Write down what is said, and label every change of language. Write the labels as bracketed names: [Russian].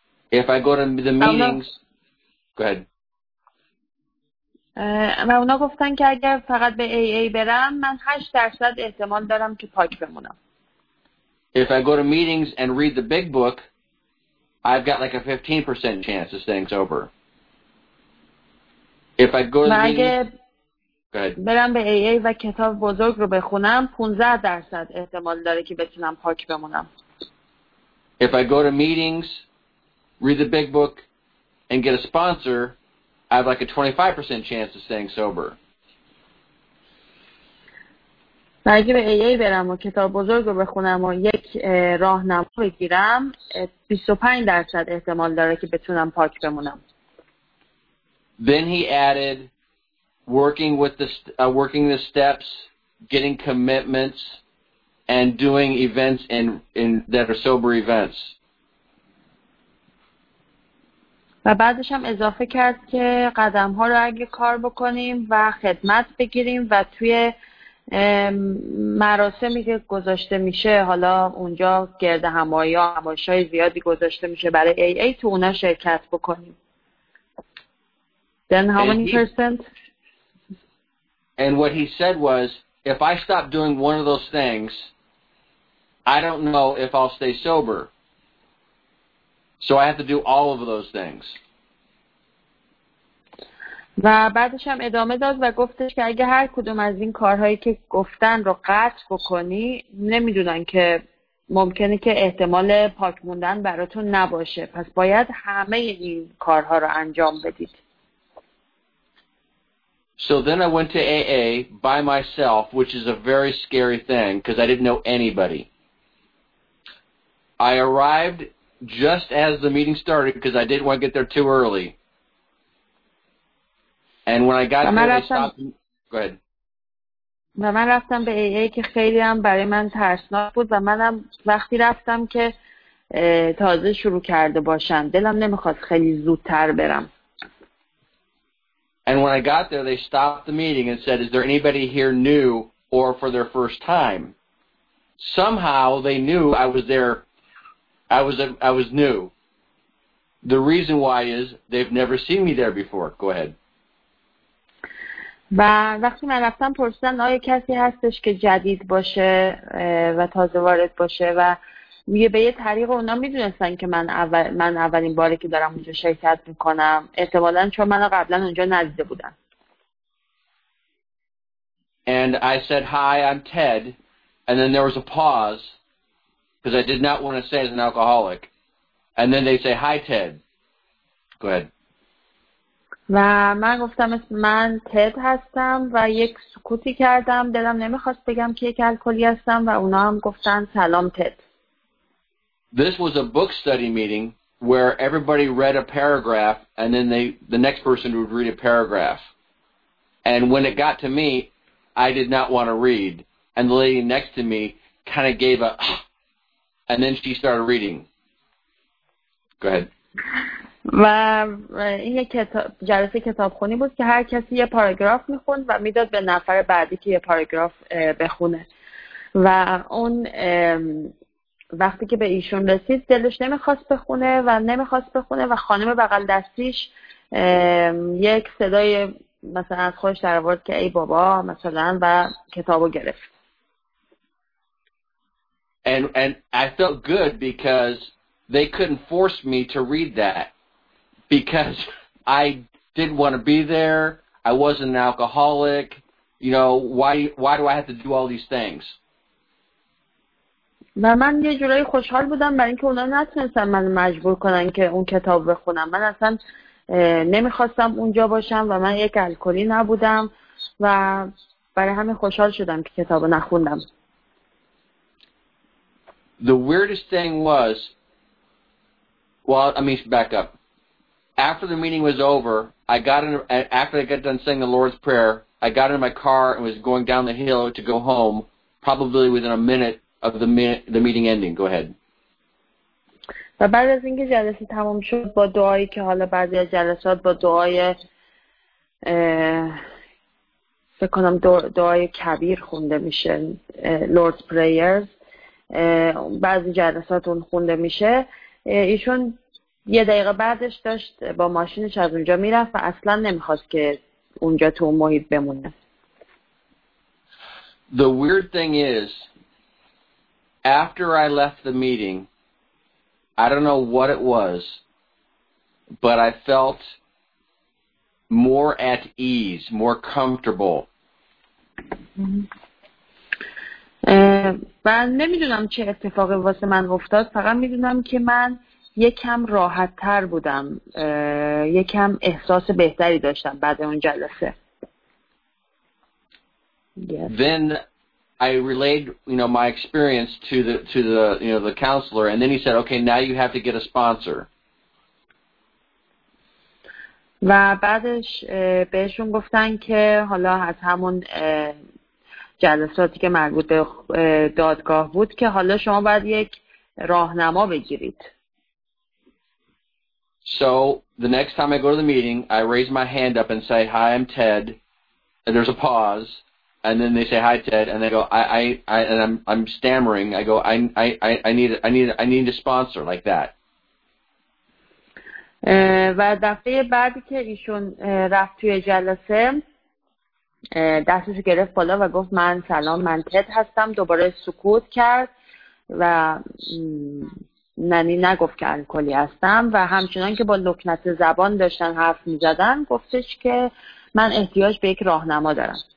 [English] If I go to the meetings, go ahead. [Persian] و اونا گفتن که اگر فقط به AA برم، من 8% احتمال دارم که پاک بمونم. [English] If I go to meetings and read the big book, I've got like a 15% chance of staying sober. If I go to meetings, [Persian] برم به AA و کتاب بزرگ رو بخونم، 15% احتمال داره که بتونم پاک بمونم. [English] If I go to meetings, read the big book, and get a sponsor, I have like a 25% chance of staying sober. [Persian] و اگه به AA برم و کتاب بزرگ رو بخونم و یک راهنما بگیرم، 25% احتمال داره که بتونم پاک بمونم. [English] Then he added working the steps, getting commitments, and doing events in that are sober events. [Persian] و بعدش هم اضافه کرد که قدم‌ها رو اگه کار بکنیم و خدمت بگیریم و توی مراسمی که گذاشته میشه، حالا اونجا گرد همایی ها هماشای زیادی گذاشته میشه برای ای ای تو اونا شرکت بکنیم. [English] Then how many percent? And what he said was, if I stop doing one of those things, I don't know if I'll stay sober. So I have to do all of those things. [Persian] و بعدش هم ادامه داد و گفتش که اگه هر کدوم از این کارهایی که گفتن رو قطع بکنی، نمیدونن که ممکنه که احتمال پاک موندن براتون نباشه، پس باید همه این کارها رو انجام بدید. [English] So then I went to AA by myself, which is a very scary thing because I didn't know anybody. I arrived just as the meeting started because I didn't want to get there too early. And when I got there, they stopped. Go ahead. [Persian] و من رفتم به AA که خیلی هم برای من ترسناک بود و منم وقتی رفتم که تازه شروع کرده باشن، دلم نمیخواد خیلی زودتر برم. [English] And when I got there, they stopped the meeting and said, is there anybody here new or for their first time. Somehow they knew I was there. I was new. The reason why is they've never seen me there before. Go ahead. [Persian] و وقتی من رفتم پرسیدن آیا کسی هستش که جدید باشه و تازه وارد باشه و یه به یه طریق اونا میدونستن که من اولین باری که دارم اونجا شرکت میکنم احتمالاً چون منو قبلا اونجا ندیده بودن. [English] And I said hi, I'm Ted, and then there was a pause because I did not want to say as an alcoholic, and then they say hi Ted. Go ahead. [Persian] و من گفتم من تد هستم و یک سکوتی کردم دلم نمیخواست بگم که یک الکلی هستم و اونا هم گفتن سلام تد. [English] This was a book study meeting where everybody read a paragraph and then the next person would read a paragraph. And when it got to me, I did not want to read. And the lady next to me kind of gave a and then she started reading. Go ahead. [Persian] و این یک جلسه کتابخونی بود که هر کسی یه پاراگراف میخوند و میداد به نفر بعدی که یه پاراگراف بخونه و اون وقتی که به ایشون رسید دلش نمیخواست بخونه و و خانم بغل دستیش یک صدای مثلا از خودش در آورد که ای بابا مثلا و کتابو گرفت. [English] And I felt good because they couldn't force me to read that. Because I didn't want to be there, I wasn't an alcoholic, you know, why do I have to do all these things? [Persian] و من یه جورایی خوشحال بودم برای اینکه اونا نتونستن من مجبور کنن که اون کتاب بخونم. من اصلا نمیخواستم اونجا باشم و من یک الکلی نبودم و برای همین خوشحال شدم که کتاب نخوندم. [English] The weirdest thing was, well, I mean, back up. After the meeting was over, after I got done saying the Lord's Prayer, I got in my car and was going down the hill to go home, probably within a minute of the meeting ending. Go ahead. [Persian] و بعد از اینکه جلسه تمام شد با دعایی که حالا بعضی از جلسات با دعای بکنم دعای کبیر خونده میشه Lord's Prayers بعضی جلسات اون خونده میشه ایشون یه دقیقه بعدش داشت با ماشینش از اونجا میرفت و اصلا نمیخواست که اونجا تو اون محیط بمونه. [English] The weird thing is, after I left the meeting, I don't know what it was, but I felt more at ease, more comfortable. [Persian] من نمیدونم چه اتفاقی واسه من افتاد، فقط میدونم که من یکم راحت تر بودم، یکم احساس بهتری داشتم بعد اون جلسه. [English] Yes. Then I relayed, you know, my experience to the counselor, and then he said, "Okay, now you have to get a sponsor." [Persian] و بعدش بهشون گفتن که حالا از همون جلساتی که مربوط به دادگاه بود که حالا شما باید یک راهنما بگیرید. [English] So the next time I go to the meeting, I raise my hand up and say, "Hi, I'm Ted." And there's a pause, and then they say, "Hi, Ted." And they go, "I'm stammering. I go, I need a sponsor like that." [Persian] و دفعه بعدی که ایشون رفت توی جلسه، دستش گرفت بالا و گفت، "من سلام، من تد هستم." دوباره سکوت کرد و ننی نگفت که الکلی هستم و همچنان که با لکنت زبان داشتن حرف می زدن گفتش که من احتیاج به یک راهنما دارم.